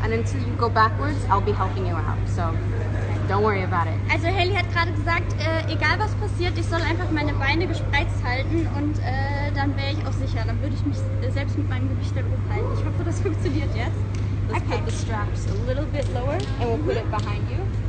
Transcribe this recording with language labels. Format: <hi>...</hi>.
<en>And until you go backwards, I'll be helping you out. So don't worry about it.</en> <de>Also Haley hat gerade gesagt, egal was passiert, ich soll einfach meine Beine gespreizt halten und dann wäre ich auch sicher. Dann würde ich mich selbst mit meinem Gewicht dann hochhalten. Ich hoffe, das funktioniert jetzt.</de> <en>Let's okay. put the straps a little bit lower and we'll put it behind you.</en>